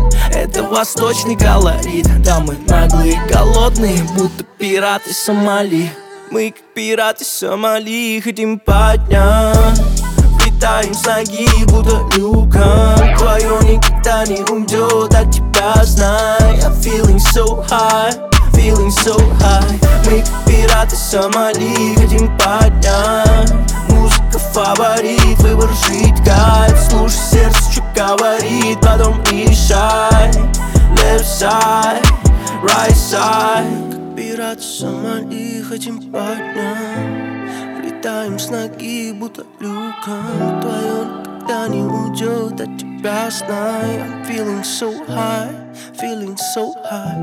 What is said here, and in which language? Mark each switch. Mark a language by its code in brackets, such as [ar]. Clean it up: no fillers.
[ru] Это восточный колорит. Да мы наглые, голодные, будто пираты Сомали. Мы как пираты Сомали хотим поднять. Влетаем с ноги, будто люкан. Твое никогда не уйдет от тебя, знай. [en] I'm feeling so high, feeling so high. [ru] Мы как пираты Сомали хотим поднять. Музыка фаворит, выбор жить кайф. Слушай сердце, что говорит, потом решай. [en] Left side, right side. [ru] Пираты Сомали хотим поднять. Влетаем с ноги, будто люкан. Твое никогда не уйдет от тебя, знай. [en] I'm feeling so high, feeling so high.